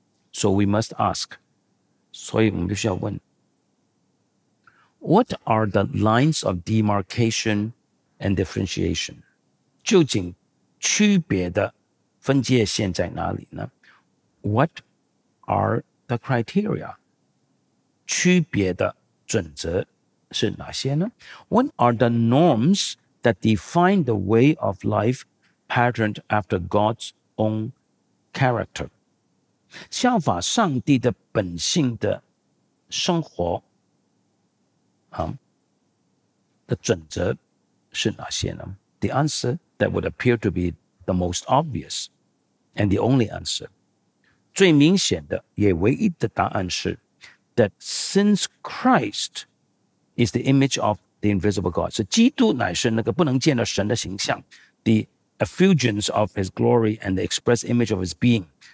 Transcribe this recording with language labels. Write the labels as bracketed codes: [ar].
[en] So we must ask, [zh] 所以我们必须要问， [en] What are the lines of demarcation and differentiation? [zh] 究竟区别的分界线在哪里呢？ [en] What are the criteria? [zh] 区别的准则是哪些呢？ [en] What are the norms that define the way of life patterned after God's own character? [zh] 效法上帝的本性的生活的准则是哪些呢？ [en] The answer that would appear to be the most obvious and the only answer, [zh] 最明显的也唯一的答案是 [en] that since Christ is the image of the invisible God, [zh] 是基督乃是那个不能见到神的形象 [en] the effulgence of his glory and the express image of his being.